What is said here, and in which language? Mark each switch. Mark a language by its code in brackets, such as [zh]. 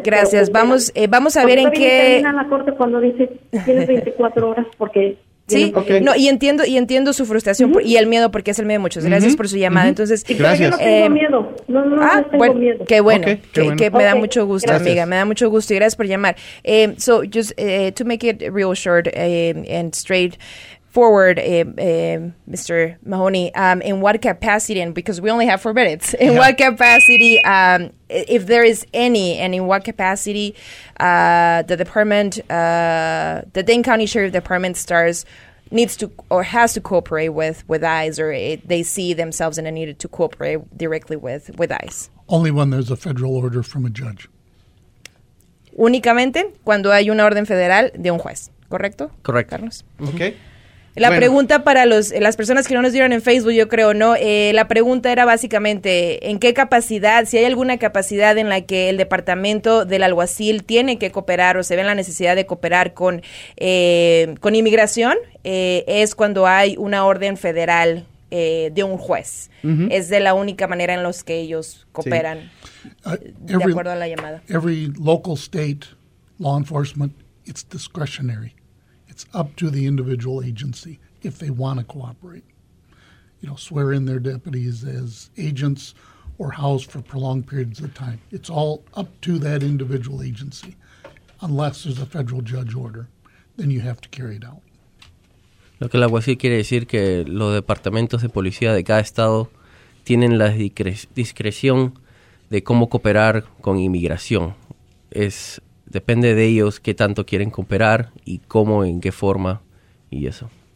[es] Gracias, vamos a ver en qué termina la corte cuando dice tienes 24 horas porque sí, okay. No, y entiendo su frustración y el miedo porque es el miedo de muchos. Gracias por su llamada. Entonces, gracias. Yo no tengo miedo. No tengo miedo. Qué bueno. Okay, qué bueno. Que me da mucho gusto, gracias. Amiga. Me da mucho gusto y gracias por llamar. [en] To make it real short and straight forward, Mr. Mahoney, in what capacity, and because we only have 4 minutes, what capacity, if there is any, and in what capacity the department, the Dane County Sheriff Department starts, needs to or has to cooperate with ICE, or they see themselves in a need to cooperate directly with ICE? Only when there's a federal order from a judge. [es] Únicamente cuando hay una orden federal de un juez, ¿correcto? Correcto. Carlos. Okay. La pregunta para las personas que no nos dieron en Facebook, yo creo, ¿no? La pregunta era básicamente, ¿en qué capacidad, si hay alguna capacidad en la que el departamento del alguacil tiene que cooperar o se ve en la necesidad de cooperar con inmigración? Es cuando hay una orden federal de un juez. Uh-huh. Es de la única manera en la que ellos cooperan, de acuerdo a la llamada. [en] Every local state law enforcement, it's discretionary. It's up to the individual agency if they want to cooperate. You know, swear in their deputies as agents or house for prolonged periods of time. It's all up to that individual agency. Unless there's a federal judge order, then you have to carry it out. [es] Lo que el alguacil quiere decir que los departamentos de policía de cada estado tienen la discreción de cómo cooperar con inmigración. Depende de ellos qué tanto quieren cooperar y cómo, en qué forma y eso.